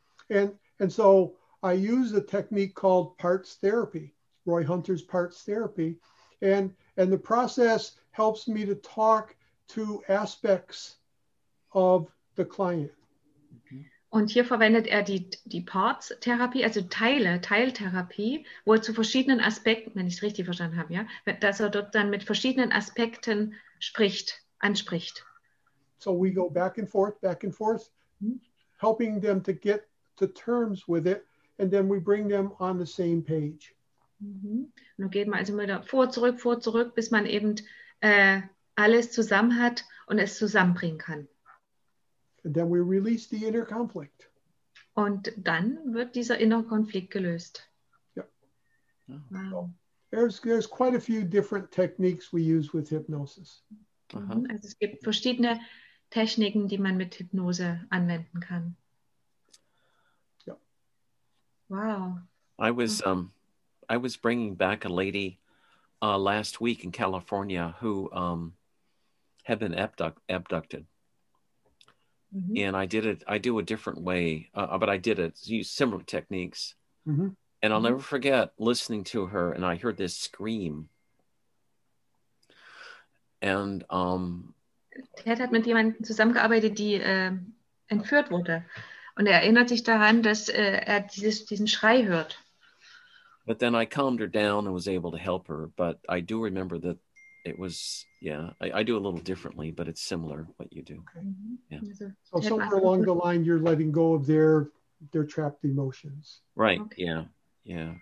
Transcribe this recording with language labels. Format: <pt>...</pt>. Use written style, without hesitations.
<en>And so I use a technique called parts therapy. Roy Hunter's parts therapy, and the process helps me to talk to aspects of the client.</en> <de>Und hier verwendet die parts Therapie, also Teiltherapie, wo er zu verschiedenen Aspekten, wenn ich es richtig verstanden habe, ja, dass er dort dann mit verschiedenen Aspekten anspricht.</de> <en>So we go back and forth, helping them to get to terms with it, and then we bring them on the same page. Mhm.</en> <de>Nun geht man also wieder vor, zurück, bis man eben alles zusammen hat und es zusammenbringen kann.</de> <en>And then we release the inner conflict.</en> <de>Und dann wird dieser innere Konflikt gelöst.</de> <en>Yeah. Wow. There's quite a few different techniques we use with hypnosis. Mhm.</en> <de>Also es gibt verschiedene Techniken, die man mit Hypnose anwenden kann.</de> <en>Yeah. Wow. I was bringing back a lady last week in California who had been abducted. Mm-hmm. And I do a different way, but I did it, use similar techniques. Mm-hmm. And I'll never forget listening to her, and I heard this scream. And</en> <de>Ted hat mit jemandem zusammengearbeitet, die entführt wurde. Und erinnert sich daran, dass diesen Schrei hört.</de> <en>But then I calmed her down and was able to help her. But I do remember that it was, yeah, I do a little differently, but it's similar what you do. Okay. Yeah. So somewhere along the line, you're letting go of their trapped emotions. Right, okay. Yeah.</en>